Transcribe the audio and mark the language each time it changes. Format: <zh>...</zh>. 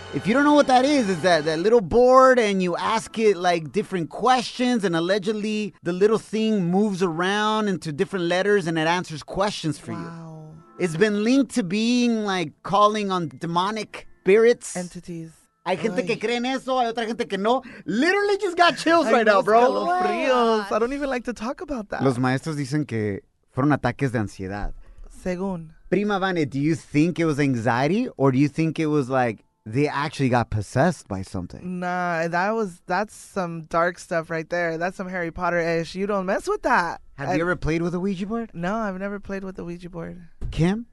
<en>If you don't know what that is, it's that little board and you ask it like different questions and allegedly the little thing moves around into different letters and it answers questions for you. It's been linked to being like calling on demonic spirits. Entities.</en> <es>Hay gente que cree en eso, hay otra gente que no.</es> <en>Literally just got chills right now, bro.</en> <es>Los fríos.</es> <en>I don't even like to talk about that.</en> <es>Los maestros dicen que fueron ataques de ansiedad. Según.</es> <en>Prima Vane, do you think it was anxiety or do you think it was like they actually got possessed by something? Nah, that's some dark stuff right there. That's some Harry Potter-ish. You don't mess with that. Have you ever played with a Ouija board? No, I've never played with a Ouija board. Kim?</en>